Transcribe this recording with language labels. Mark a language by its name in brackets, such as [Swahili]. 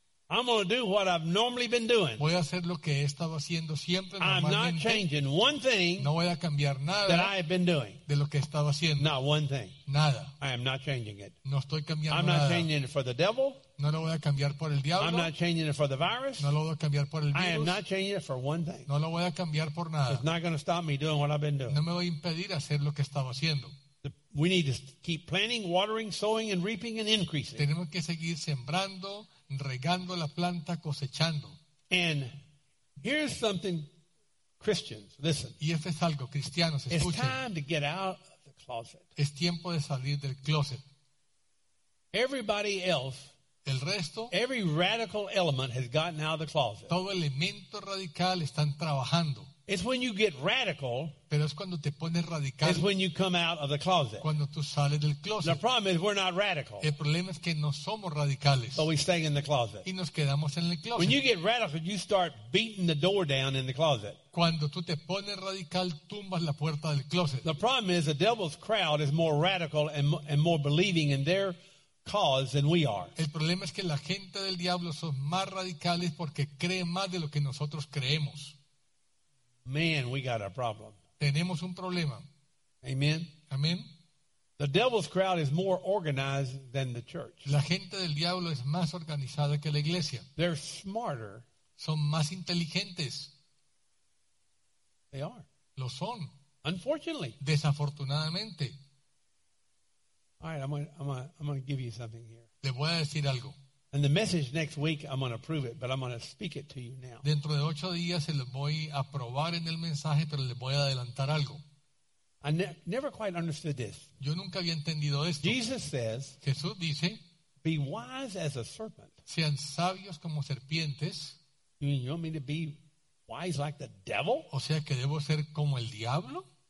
[English] I'm going to do what I've normally been doing. [Spanish] Voy a hacer lo que he estado haciendo siempre. [English] I'm not changing one thing. [Spanish] No voy a cambiar nada [English] that I have been doing. [Spanish] De lo que he estado haciendo. [English] Not one thing. [Spanish] Nada. [English] I am not changing it. [Spanish] No estoy cambiando [English] I'm not Changing it for the devil. [Spanish] No lo voy a cambiar por el diablo. [English] I'm not changing it for the virus. [Spanish] No lo voy a cambiar por el virus. [English] I am not changing it for one thing. [Spanish] No lo voy a cambiar por nada. [English] It's not going to stop me doing what I've been doing. [Spanish] No me voy a impedir hacer lo que estaba haciendo. [English] We need to keep planting, watering, sowing, and reaping and increasing. [Spanish] Tenemos que seguir sembrando, regando la planta, cosechando. [English] And here's something, Christians, listen. [Spanish] Y esto es algo, cristianos, escuchen. [English] It's time to get out of the closet. [Spanish] Es tiempo de salir del closet. [English] Everybody else. [Spanish] El resto, [English] every radical element has gotten out of the closet. [Spanish] Todo elemento radical están trabajando. [English] It's when you get radical. [Spanish] Pero es cuando te pones radical. [English] It's when you come out of the closet. [Spanish] Cuando tú sales del closet. [English] The problem is we're not radical. [Spanish] El problema es que no somos radicales. [English] But we stay in the closet. [Spanish] Y nos quedamos en el closet. [English] When you get radical, you start beating the door down in the closet. [Spanish] Cuando tú te pones radical, tumbas la puerta del closet. [English] The problem is the devil's crowd is more radical and more believing in their cause than we are. [Spanish] El problema es que la gente del diablo son más radicales porque creen más de lo que nosotros creemos. [English] Man, we got a problem. [Spanish] Tenemos un problema. [English] Amen. [Spanish] Amen. [English] The devil's crowd is more organized than the church. [Spanish] La gente del diablo es más organizada que la iglesia. [English] They're smarter. [Spanish] Son más inteligentes. [English] They are. [Spanish] Lo son. [English] Unfortunately. [Spanish] Desafortunadamente. [English] All right, I'm going to give you something here. [Spanish] Le voy a decir algo. [English] And the message next week, I'm going to prove it, but I'm going to speak it to you now. [Spanish] Dentro de 8 días se lo voy a probar en el mensaje, pero le voy a adelantar algo. [English] I never quite understood this. [Spanish] Yo nunca había entendido esto. [English] Jesus says, [Spanish] Jesús dice, [English] be wise as a serpent. [Spanish] Sean sabios como serpientes. [English] You mean you want me to be wise like the devil? [Spanish] O sea, que debo ser como el diablo.